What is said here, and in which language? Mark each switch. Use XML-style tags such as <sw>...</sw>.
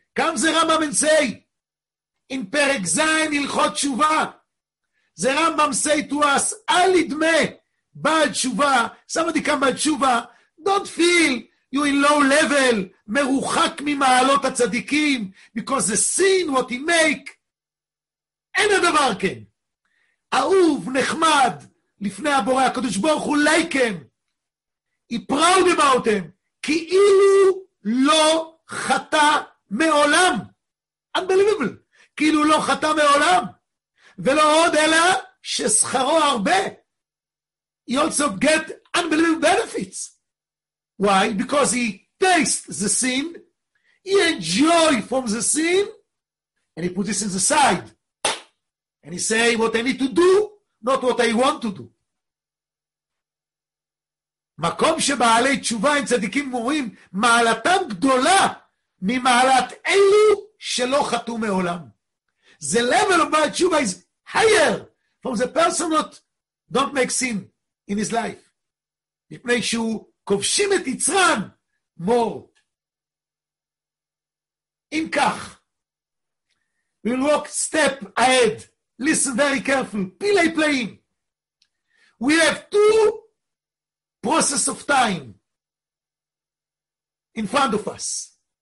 <he>כאן זה רמב"ם say. In פרק זין הלכות תשובה. זה רמב"ם</he> <en>say to us,</en> <he>אל ידמה בעל תשובה,</he> <en>somebody come בעל תשובה, don't feel you in low level,</en> <he>מרוחק ממעלות הצדיקים,</he> <en>because the sin what he make,</en> <he>אין הדבר כן. אהוב, נחמד, לפני הבורא, הקדוש ברוך הוא</he> <en>like him, he proud about him,</en> <he>כאילו לא חטא מעולם.</he> <en>Unbelievable.</en> <he>כאילו לא חטא מעולם. ולא עוד, אלא ששכרו הרבה.</he> <en>He also get unbelievable benefits. Why? Because he tastes the sin, he enjoy from the sin, and he puts this in the side. And he say what I need to do, not what I want to do.</en> <he>מקום שבעלי תשובה הם צדיקים מורים, מעלתם גדולה ממעלת אלו שלא חתו מעולם.</he> <en>The level of bad tshuva is higher from the person that don't make sin in his life.</en> <he>מפני שהוא כובשים את יצרן more. אם כך,</he> <en>we'll walk step ahead. Listen very carefully. Pilei playing. We have two process of time in front of us.</en>